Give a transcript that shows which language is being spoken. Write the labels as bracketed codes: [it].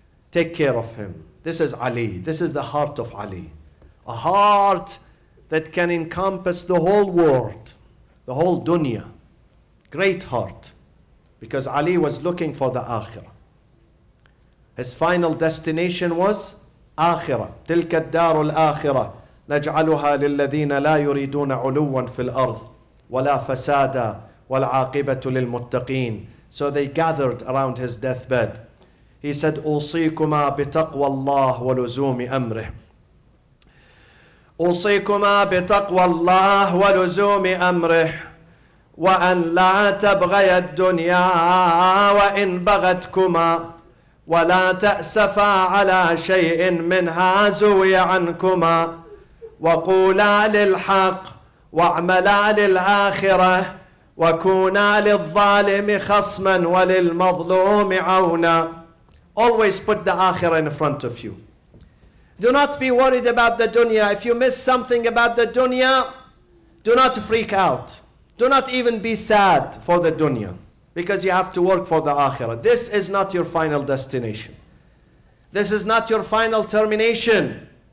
[en] Take care of him. This is Ali. This is the heart of Ali. A heart that can encompass the whole world, the whole dunya. Great heart. Because Ali was looking for the Akhirah. His final destination was Akhirah. [ar] تلك الدار الآخرة نجعلها للذين لا يريدون علوا في الأرض ولا فسادا والعاقبة للمتقين. [en] So they gathered around his deathbed. He said, [ar] أوصيكما بتقوى الله ولزوم أمره. أوصيكما بتقوى الله ولزوم أمره. وأن لا تبغي الدنيا وإن بغتكما ولا تأسفا على شيء منها زوي عنكما وقولا للحق واعملا للآخرة وكونا للظالم خصما وللمظلوم عونا. [en] Always put the akhirah in front of you. Do not be worried about the dunya. If you miss something about the dunya, do not freak out. Do not even be sad for the dunya, because you have to work for the akhirah. This is not your final destination. This is not your final termination.